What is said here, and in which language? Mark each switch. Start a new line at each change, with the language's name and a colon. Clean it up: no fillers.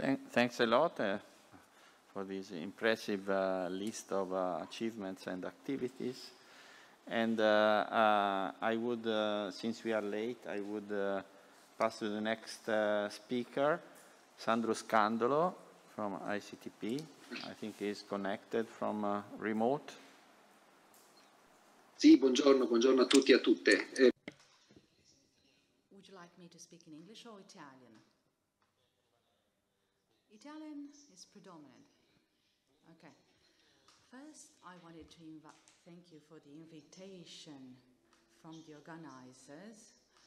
English: Thanks a lot for this impressive list of achievements and activities. And I would, since we are late, I would pass to the next speaker, Sandro Scandolo from ICTP. I think he's connected from remote.
Italian: Sì, buongiorno, buongiorno a tutti e a tutte.
English: Would you like me to speak in English or Italian? Italian is predominant. Okay. First, I wanted to thank you for the invitation from the organizers.